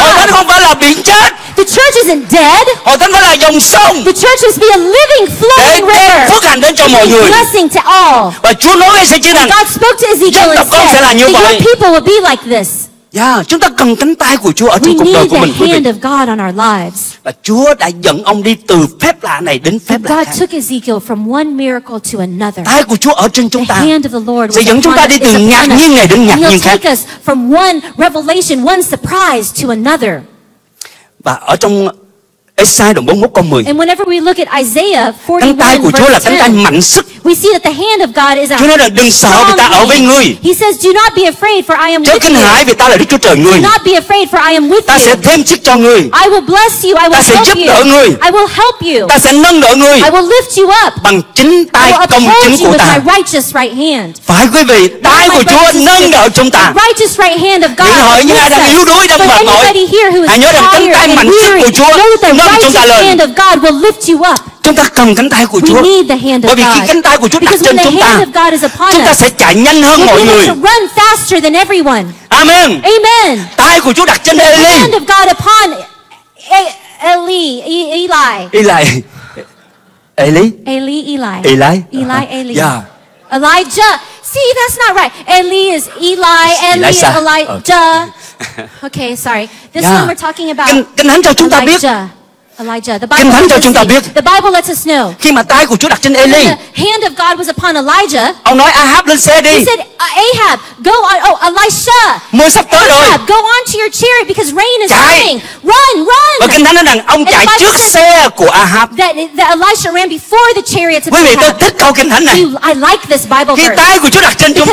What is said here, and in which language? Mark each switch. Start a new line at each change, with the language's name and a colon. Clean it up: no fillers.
Vietnamese: Hội thánh không phải là biển chết.
English: The church isn't dead.
Vietnamese: Hội thánh phải là dòng sông.
English: The church must be a living, flowing river.
Vietnamese: Để phước hạnh đến cho mọi người.
English: Blessing to all.
Vietnamese: Và Chúa nói với Ezekiel rằng,
English: God spoke to Ezekiel
Vietnamese: dân tộc con sẽ là như vậy.
English: Your people will be like this.
Vietnamese: Yeah, chúng ta cần cánh tay của Chúa ở trong cuộc đời của mình, quý vị. Và Chúa đã dẫn ông đi từ phép lạ này đến phép lạ khác.
English: Took Ezekiel from one miracle to another.
Vietnamese: Tay của Chúa ở trên chúng ta.
English: The hand of the Lord
Vietnamese: sẽ dẫn chúng ta đi từ ngạc nhiên này đến ngạc nhiên khác.
English: Take us from one revelation, one surprise to another.
Vietnamese: Và ở trong Esai đoạn 41 câu 10.
English: And whenever we look at Isaiah 41,
Vietnamese: cánh tay của Chúa là cánh tay mạnh sức.
English: We see that the hand of God is a strong hand.
Vietnamese: Chúa nói là đừng sợ vì ta ở với ngươi.
English: He says, do not be afraid for I am with you.
Vietnamese: Chớ kinh hãi vì ta là Đức Chúa Trời ngươi.
English: Do not be afraid for I am with you.
Vietnamese: Ta sẽ thêm sức cho ngươi.
English: I will bless you. I will help you.
Vietnamese: Ta sẽ giúp đỡ ngươi.
English: I will help you.
Vietnamese: Ta sẽ nâng đỡ ngươi.
English: I will lift you up.
Vietnamese: Bằng chính tay công chính của ta.
English: I will uphold you with my righteous right hand.
Vietnamese: Phải quý vị, tay của Chúa nâng đỡ chúng ta.
English: Righteous right hand of God.
Vietnamese: Những hỏi những ai đang yếu đuối, đang mệt mỏi. Hãy nhớ rằng cánh tay mạnh sức của Chúa.
English: Hand of God will lift you up.
Vietnamese: Chúng ta cần cánh tay của Chúa.
English: We need the hand of God.
Vietnamese: Bởi vì khi cánh tay của Chúa đặt trên chúng ta, chúng ta sẽ chạy nhanh hơn mọi người.
English: We need to run faster than everyone. Amen. Amen.
Vietnamese: Tay của Chúa đặt trên Eli.
English: The hand of God upon Eli. Eli. Eli. Eli. Eli. Eli. Eli. Eli. Eli. Yeah. Elijah. See, that's not right. Eli is Eli. Eli. Elijah. Okay, sorry. This one we're talking about.
Vietnamese: Kinh thánh cho chúng ta biết.
English: Elijah. The Bible lets us know. The Bible lets us know.
Vietnamese: Khi mà tay của Chúa đặt trên Eli,
English: the hand of God was upon Elijah.
Vietnamese: Ông nói Ahab lên xe đi.
English: He said, Ahab, go on. Oh, Elisha.
Vietnamese: Mưa sắp tới rồi.
English: Ahab, go on to your chariot because rain is coming. Run, run.
Vietnamese: Và Kinh Thánh nói rằng ông chạy trước xe của Ahab.
English: That Elisha ran before the chariots of Ahab.
Vietnamese: Quý vị, tôi thích câu Kinh Thánh này.
English: I like this Bible verse.
Vietnamese: Khi tay của Chúa đặt trên chúng ta,